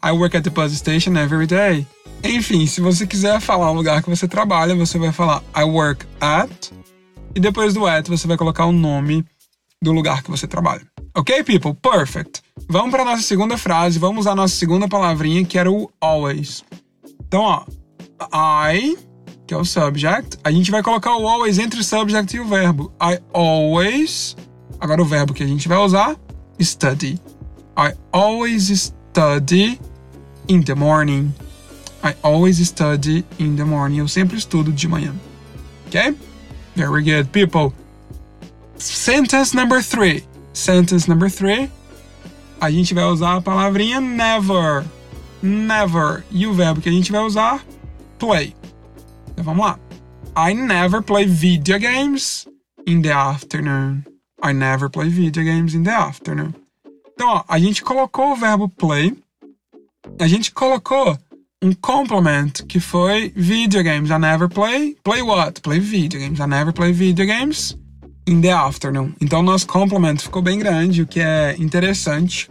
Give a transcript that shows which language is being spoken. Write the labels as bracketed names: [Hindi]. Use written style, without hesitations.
[English] I work at the bus station every day. [Portuguese] Enfim, se você quiser falar o lugar que você trabalha, você vai falar [English] I work at. [Portuguese] E depois do at, você vai colocar o nome do lugar que você trabalha. [English] Ok, people? Perfect. [Portuguese] Vamos para a nossa segunda frase. Vamos usar a nossa segunda palavrinha, que era o always. Então, ó. I, que é o subject. A gente vai colocar o always entre o subject e o verbo. [English] I always. [Portuguese] Agora o verbo que a gente vai usar. Study. [English] I always study in the morning. I always study in the morning. [Portuguese] Eu sempre estudo de manhã. [English] Okay? There we go, people. Sentence number three. Sentence number three. [Portuguese] A gente vai usar a palavrinha [English] never. Never. [Portuguese] E o verbo que a gente vai usar? Play. Então vamos lá. [English] I never play video games in the afternoon. I never play video games in the afternoon. [Portuguese] Então, ó, a gente colocou o verbo play. A gente colocou um complement que foi video games. [English] I never play. Play what? Play video games. I never play video games in the afternoon. [Portuguese] Então, nosso complement ficou bem grande, o que é interessante.